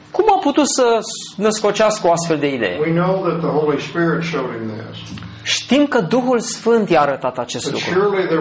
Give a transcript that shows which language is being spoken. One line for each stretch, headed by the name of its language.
Romanian: Cum a putut să născocească o astfel de idee?
English: We know that the Holy Spirit showed him this.
Romanian: Știm că Duhul Sfânt i-a arătat acest lucru.